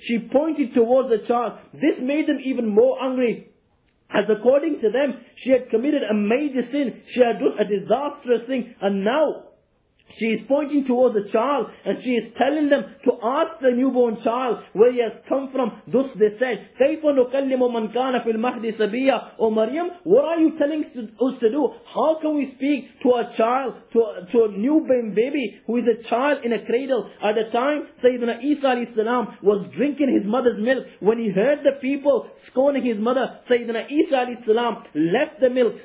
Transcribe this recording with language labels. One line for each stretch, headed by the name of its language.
English: She pointed towards the child. This made them even more angry, as according to them, she had committed a major sin. She had done a disastrous thing. And now, she is pointing towards the child and she is telling them to ask the newborn child where he has come from. Thus they said,
Arabic: كَيْفَ نُكَلِّمُ مَنْ كَانَ فِي الْمَهْدِ سَبِيَّا.
English: O Maryam, what are you telling us to do? How can we speak to a child, to a newborn baby who is a child in a cradle? At the time, Sayyidina Isa alayhi salam was drinking his mother's milk. When he heard the people scorning his mother, Sayyidina Isa alayhi salam left the milk.